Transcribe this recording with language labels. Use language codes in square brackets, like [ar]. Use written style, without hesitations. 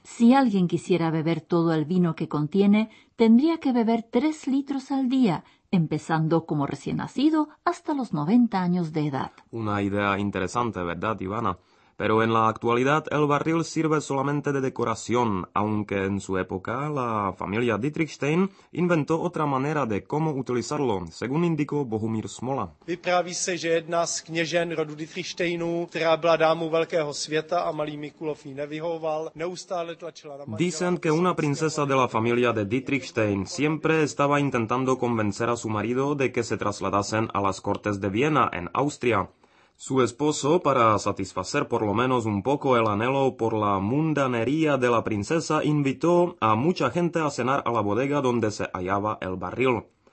[es] Si alguien quisiera beber todo el vino que contiene, tendría que beber 3 litros al día, empezando como recién nacido hasta los 90 años de edad. Una idea interesante, ¿verdad, Ivana? Pero en la actualidad el barril sirve solamente de decoración, aunque en su época la familia Dietrichstein inventó otra manera de cómo utilizarlo, según indicó Bohumír Smola. [cs] Vypráví se, že jedna z kněžen rodu Dietrichsteinů, která byla dámou velkého světa a malý Mikulov jí nevyhovoval, neustále tlačila na manžela. [es] Dicen que una princesa de la familia de Dietrichstein siempre estaba intentando convencer a su marido de que se trasladasen a las Cortes de Viena en Austria. Su esposo, para satisfacer por lo menos un poco el anhelo por la mundanería de la princesa, invitó a mucha gente a cenar a la bodega donde se hallaba el barril.